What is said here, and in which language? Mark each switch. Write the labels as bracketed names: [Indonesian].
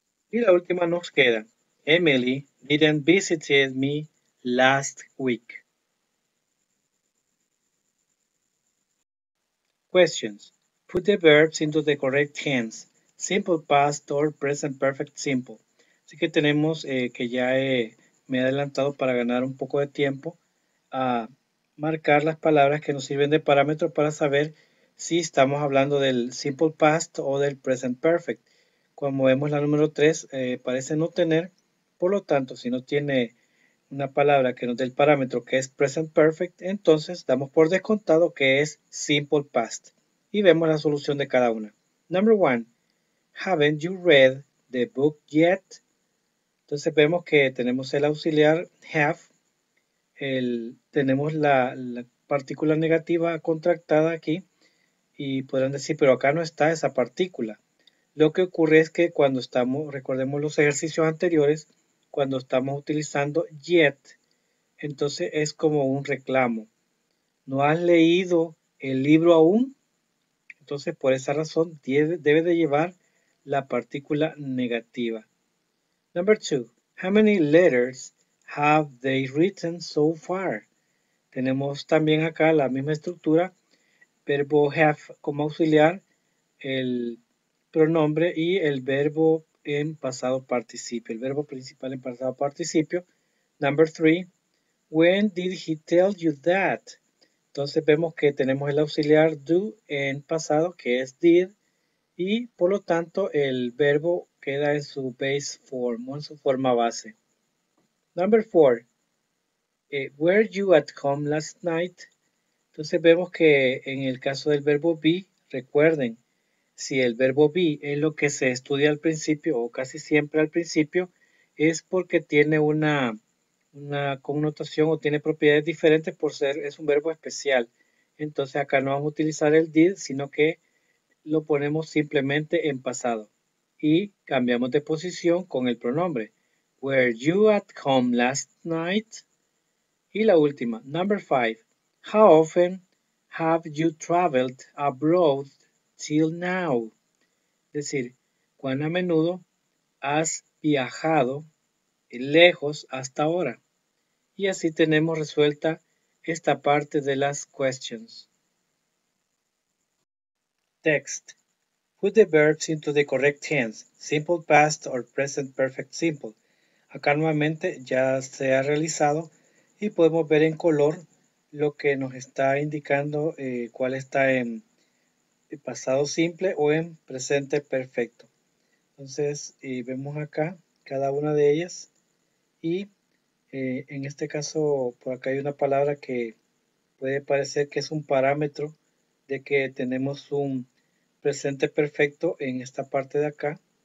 [Spanish] Y la última nos queda, [English] Emily didn't visit me last week. Questions. Put the verbs into the correct tense, simple past or present perfect simple. [Spanish] Así que tenemos que ya me he adelantado para ganar un poco de tiempo a marcar las palabras que nos sirven de parámetro para saber si estamos hablando del simple past o del present perfect. Como vemos, la número 3 parece no tener, por lo tanto, si no tiene una palabra que nos dé el parámetro que es present perfect, entonces damos por descontado que es simple past. Y vemos la solución de cada una. [English] Number one, haven't you read the book yet? [Spanish] Entonces vemos que tenemos el auxiliar have, tenemos la partícula negativa contractada aquí, y podrán decir, pero acá no está esa partícula. Lo que ocurre es que cuando estamos, recordemos los ejercicios anteriores, cuando estamos utilizando yet, entonces es como un reclamo. ¿No has leído el libro aún? Entonces, por esa razón, debe de llevar la partícula negativa. [English] Number two. How many letters have they written so far? [Spanish] Tenemos también acá la misma estructura. Verbo have como auxiliar, el pronombre y el verbo en pasado participio, el verbo principal en pasado participio. [English] Number three, when did he tell you that? [Spanish] Entonces vemos que tenemos el auxiliar do en pasado, que es did, y por lo tanto el verbo queda en su base form, o en su forma base. [English] Number four, were you at home last night? [Spanish] Entonces vemos que en el caso del verbo be, recuerden, si el verbo be es lo que se estudia al principio o casi siempre al principio, es porque tiene una connotación o tiene propiedades diferentes por ser, es un verbo especial. Entonces acá no vamos a utilizar el did, sino que lo ponemos simplemente en pasado. Y cambiamos de posición con el pronombre. [English] Were you at home last night? [Spanish] Y la última, [English] number five. How often Have you traveled abroad till now? [Spanish] Es decir, ¿cuán a menudo has viajado lejos hasta ahora? Y así tenemos resuelta esta parte de las questions. [English] Text. Put the verbs into the correct tense, simple past or present perfect simple. [Spanish] Acá nuevamente ya se ha realizado y podemos ver en color lo que nos está indicando cuál está en pasado simple o en presente perfecto. Entonces, vemos acá cada una de ellas y en este caso por acá hay una palabra que puede parecer que es un parámetro de que tenemos un presente perfecto en esta parte de acá.